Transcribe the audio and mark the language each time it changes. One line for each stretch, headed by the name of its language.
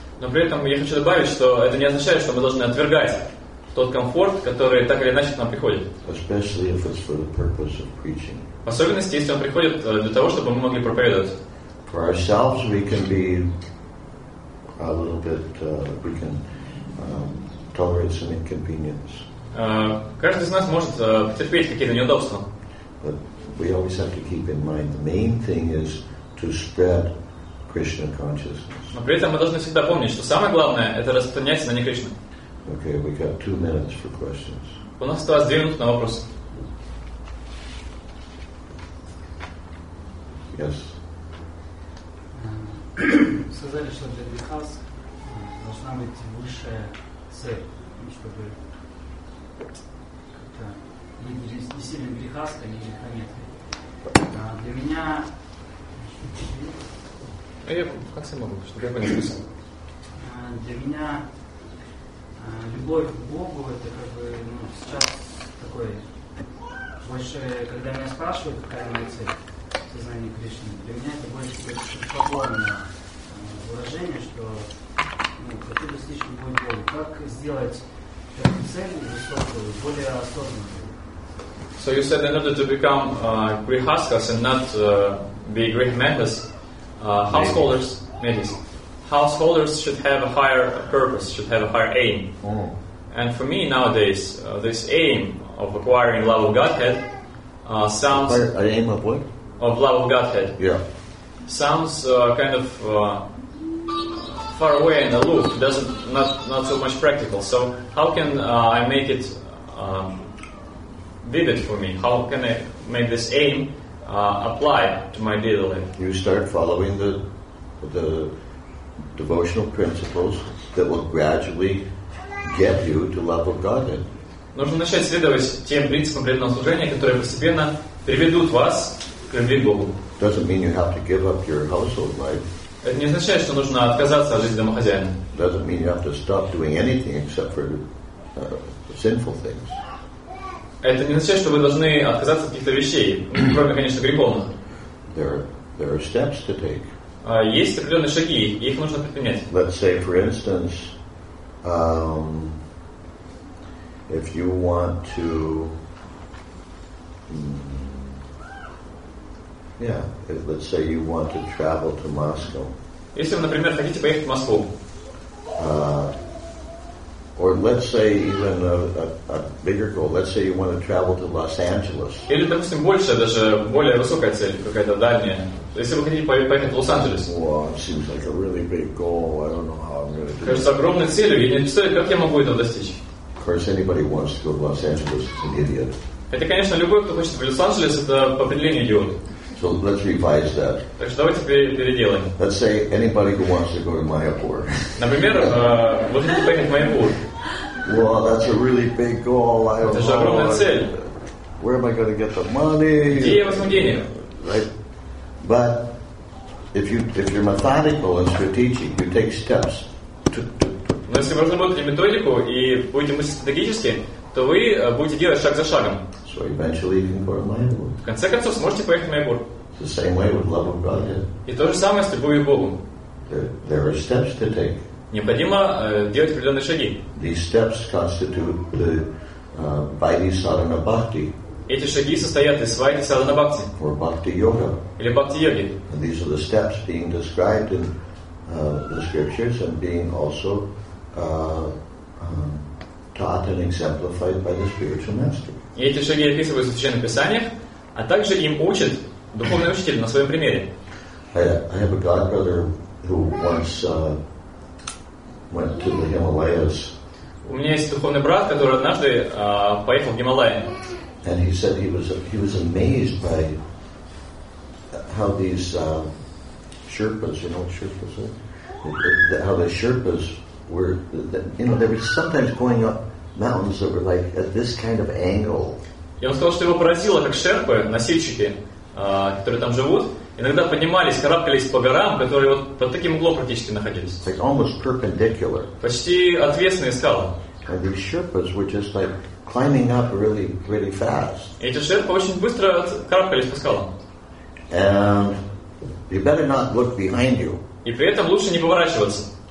Russian: Но при этом я хочу добавить, что это не означает, что мы должны отвергать тот комфорт, который так или иначе к нам приходит.
English: Especially if it's for the purpose of preaching.
Russian: В особенности, если он приходит для того, чтобы мы могли проповедовать.
English: For ourselves, we can be a little bit. We can. Tolerate some inconvenience.
Russian: Каждый из нас может потерпеть какие-то неудобства.
English: But we always have to keep in mind the main thing is to spread Krishna consciousness.
Russian: Но при этом мы должны всегда помнить, что самое главное это распространять знание Кришны.
English: Okay, we got 2 minutes for questions.
Russian: У нас осталось 2 минуты на вопросы.
English: Yes.
Russian: Сказали, что для Вихас должна быть высшая цель, чтобы как-то не сильно грехаска, не грехометка. А для меня... Для меня любовь к Богу, это как бы сейчас такое больше, когда меня спрашивают, какая моя цель в сознании Кришны, для меня это больше свободное выражение, что хочу достичь любой боли. Как сделать эту цель высокую, более осознанную?
English: So you said in order to become grihaskas and not be grihamekas, householders should have a higher purpose, should have a higher aim. Mm. And for me nowadays, this aim of acquiring love of Godhead sounds... An aim of what? Of love of Godhead. Yeah. Sounds kind of... far away and aloof, doesn't not so much practical. So how can I make it vivid for me? How can I make this aim apply to my daily life. You start following the devotional principles that will gradually get you to love of Godhead.
Russian: Нужно начать следовать тем принципам преданного служения, которые постепенно приведут вас к любви к Богу.
English: Doesn't mean you have to give up your household life.
Russian: Это не означает, что нужно отказаться от жизни домохозяина.
English: Doesn't mean you have to stop doing anything except for sinful things.
Russian: Это не означает, что вы должны отказаться от каких-то вещей, кроме, конечно, греховных.
English: There are steps to take.
Russian: Есть определенные шаги, их нужно предпринять.
English: Let's say, for instance, if you want to, let's say you want to travel to Moscow.
Russian: Если вы, например, хотите поехать в Москву.
English: Or let's say even a bigger goal. Let's say you want to travel to Los Angeles.
Russian: Или, допустим, больше, даже более высокая цель, какая-то дальняя. Если вы хотите поехать в Лос-Анджелес.
English: Seems like a really big goal. I don't know how I'm going to do.
Russian: Кажется, огромной целью. Я не представляю, как я могу этого достичь.
English: Of course, anybody wants to go to Los Angeles is an idiot.
Russian: Это, конечно, любой, кто хочет в Лос-Анджелес, это по определению идиот.
English: So let's revise that.
Russian: Так что давайте переделаем.
English: Let's say anybody who wants to go to Mayapur.
Russian: Например, вы хотите поехать в Майяпур.
English: Well, that's a really big goal.
Russian: Это же огромная цель.
English: Where am I going to get the money?
Russian: Где я возьму деньги?
English: Right. But if you're methodical and strategic, you take steps to
Russian: Но если вы разработаете методику и будете мыслить стратегически, то вы будете делать шаг за шагом.
English: So eventually you can go to Mayapur.
Russian: В конце концов, сможете поехать в Майяпур.
English: The same way with love of God.
Russian: И то же самое с любовью к Богу.
English: There are steps to take.
Russian: Необходимо делать определенные шаги.
English: These steps constitute the Vaidhi Sadhana Bhakti.
Russian: Эти шаги состоят из Vaidhi Sadhana Bhakti.
English: Or Bhakti Yoga.
Russian: Или Bhakti Yogi.
English: And these are the steps being described in the scriptures and being also taught and exemplified by the spiritual master.
Russian: И эти шаги описываются в Священном Писании, а также им учат духовный учитель на своем примере.
English: I have a godbrother who once went to the Himalayas.
Russian: У меня есть духовный брат, который однажды поехал в Гималаи.
English: And he said he was amazed by how these Sherpas, you know what Sherpas are? How the Sherpas were, you know, they were sometimes going up mountains that were like at this kind of angle.
Russian: И он сказал, что его поразило, как шерпы, носильщики, которые там живут, иногда поднимались, карабкались по горам, которые вот под таким углом практически находились.
English: It's like almost perpendicular.
Russian: Почти отвесные скалы.
English: And these Sherpas were just like climbing up really, really fast.
Russian: И эти шерпы очень быстро карабкались по скалам.
English: And you better not look behind you.
Russian: И при этом лучше не поворачиваться.